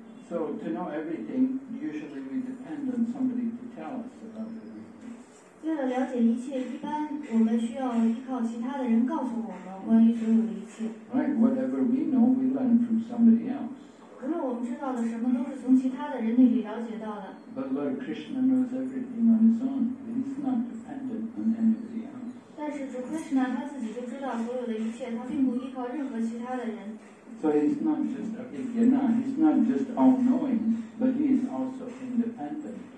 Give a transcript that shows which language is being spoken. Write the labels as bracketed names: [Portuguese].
[English] So to know everything, usually we depend on somebody to tell us about everything. [Chinese] 为了了解一切，一般我们需要依靠其他的人告诉我们关于所有的一切。 [English] Right, whatever we know, we learn from somebody else. [Chinese] 无论我们知道的什么，都是从其他的人那里了解到的。 [English] But Lord Krishna knows everything on his own. He's not dependent on anybody else. [Chinese] 但是主 Krishna 他自己就知道所有的一切，他并不依靠任何其他的人。 [English] So he's not just Adigyana. He's not just all-knowing, but he is also independent.